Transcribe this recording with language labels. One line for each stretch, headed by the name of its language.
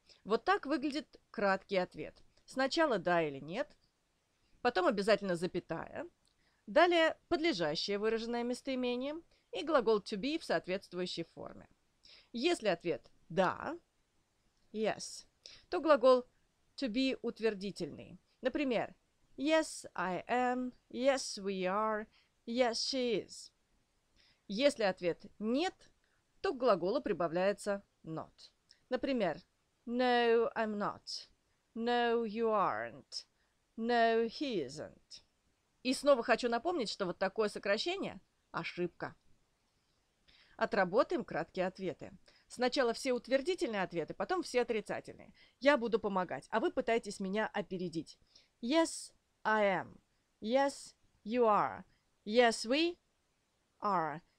Russian: Вот так выглядит краткий ответ. Сначала да или нет. Потом обязательно запятая. Далее подлежащее, выраженное местоимением. И глагол to be в соответствующей форме. Если ответ да, yes, то глагол to be утвердительный. Например,
English: yes, I am, yes, we are, yes, she is.
Russian: Если ответ «нет», то к глаголу прибавляется «not». Например,
English: «No, I'm not», «No, you aren't», «No, he isn't».
Russian: И снова хочу напомнить, что вот такое сокращение – ошибка. Отработаем краткие ответы. Сначала все утвердительные ответы, потом все отрицательные. Я буду помогать, а вы пытаетесь меня опередить.
English: «Yes, I am», «Yes, you are», «Yes, we are».